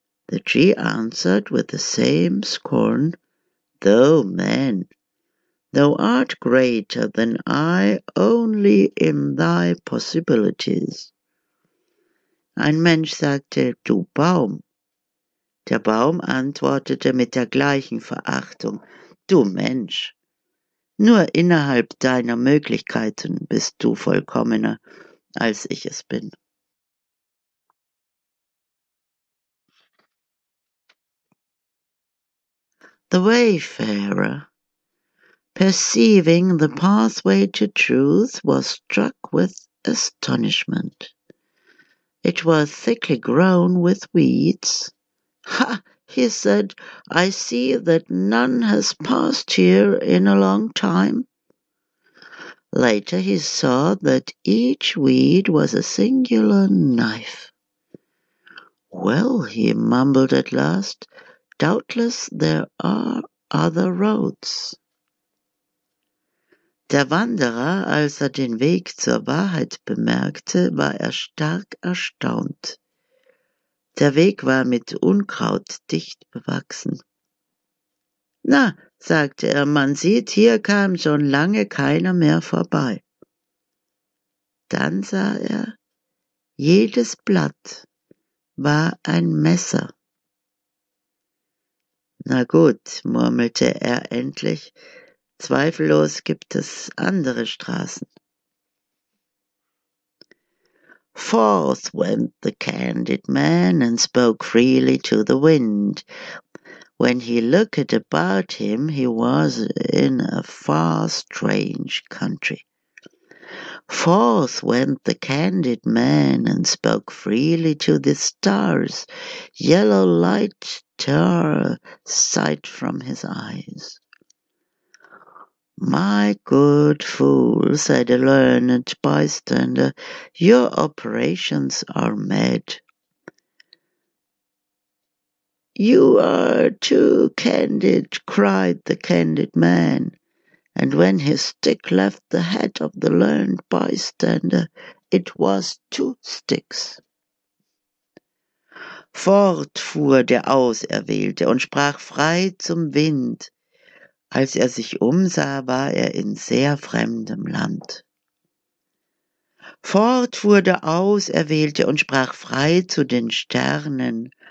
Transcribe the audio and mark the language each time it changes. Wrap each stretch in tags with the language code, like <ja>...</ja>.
<en>The tree answered with the same scorn, "Thou man, thou art greater than I only in thy possibilities."</en> <de>Ein Mensch sagte, "Du Baum." Der Baum antwortete mit der gleichen Verachtung: Du Mensch, nur innerhalb deiner Möglichkeiten bist du vollkommener, als ich es bin.</de> <en>The wayfarer, perceiving the pathway to truth, was struck with astonishment. It was thickly grown with weeds. Ha! He said, I see that none has passed here in a long time. Later he saw that each weed was a singular knife. Well, he mumbled at last, doubtless there are other roads.</en> <de>Der Wanderer, als er den Weg zur Wahrheit bemerkte, war er stark erstaunt. Der Weg war mit Unkraut dicht bewachsen. Na, sagte er, man sieht, hier kam schon lange keiner mehr vorbei. Dann sah er, jedes Blatt war ein Messer. Na gut, murmelte er endlich, zweifellos gibt es andere Straßen.</de> <en>Forth went the candid man and spoke freely to the wind. When he looked about him, he was in a far strange country. Forth went the candid man and spoke freely to the stars. Yellow light tore sight from his eyes. My good fool, said a learned bystander, your operations are mad. You are too candid, cried the candid man, and when his stick left the head of the learned bystander, it was two sticks.</en> <de>Fort fuhr der Auserwählte und sprach frei zum Wind. Als er sich umsah, war er in sehr fremdem Land. Fort fuhr der Auserwählte und sprach frei zu den Sternen.</de>